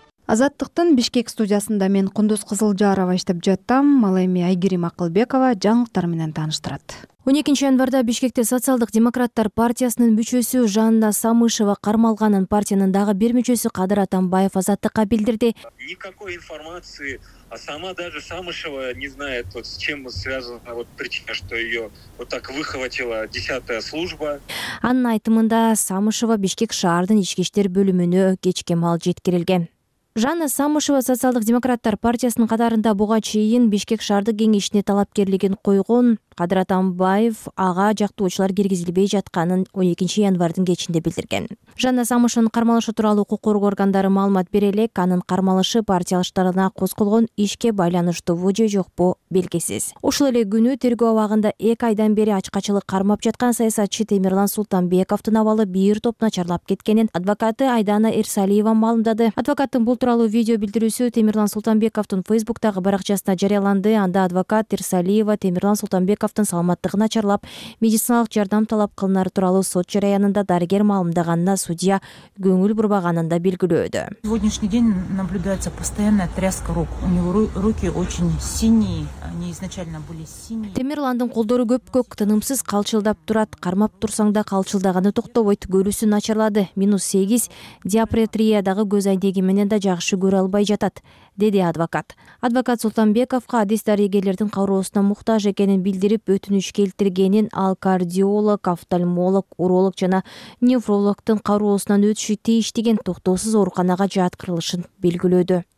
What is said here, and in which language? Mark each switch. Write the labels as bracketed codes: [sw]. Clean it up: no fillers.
[ky] Азаттыктын Бишкек студиясында мен Кундуз Кызылжарова иштеп жаттым. Ал эми Айгерим Акылбекова жаңылыктар менен тааныштырат. 12 январда Бишкекте социалдык демократтар партиясынын мүчөсү Жанна Самышева кармалганын партиянын дагы бир мүчөсү Кадыр Атамбаев азаттыкка билдирди. [ru] Никакой информации, а сама даже Самышева не знает, вот с чем связана вот причина, что её вот так выхватила 10-я служба. [ky] Анын айтымында Самышева Бишкек шаардын ички иштер бөлүмүнө кечке мал жеткирилген. Жанна Самышева социалдык демократтар партиясынын катарында буга чейин Бишкек шаардык кеңешине талапкерлигин койгон. Кадыр Атамбаев ага жактоочулар киргизилбей жатканын 12 январдын кечинде билдирген. Жанна Самышевин кармалышы тууралуу укук коргоо органдары маалымат бере элек, анын кармалышы партиялаштарына козголгон ишке байланыштуубу же жокпу белгисиз. Ушул эле күнү тергөө абагында 2 айдан бери ачкачылык кармап жаткан саясатчы Темирлан Султанбековдун абалы бир топ начарлап кеткенин адвокаты Айдана Эрсалиева маалымдады. Адвокаттын бул тууралуу видео билдирүүсү Темирлан Султанбековдун Facebook-тагы баракчасына жарыяланды. Анда адвокат Эрсалиева Темирлан Султанбековдун Бековдун саламаттыгы начарлап, медициналык жардам талап кылынары тууралуу сот жараянында дарыгер маалымдаганына судья көңүл бурбаганын да белгилөөдө. [ru] Сегодняшний день наблюдается постоянная тряска рук. У него руки очень синие, они изначально были синие. [ky] Темирландын колдору көп-көк тынымсыз калчылдап турат. Кармап турсаң да калчылдаганы токтобойт. Көрүүсү начарлады. -8 диапретриядагы көз айнеги менен да жакшы көрө албай жатат, деди адвокат. Адвокат Султанбековго адис дарыгерлердин кароосуна муктаж экенин билдирип, өтүнүч келтиргенин ал кардиолог, офтальмолог, уролог жана неврологдун кароосунан өтүшү тийиш деген токтоосуз ооруканага жаткырылышын белгилөөдө.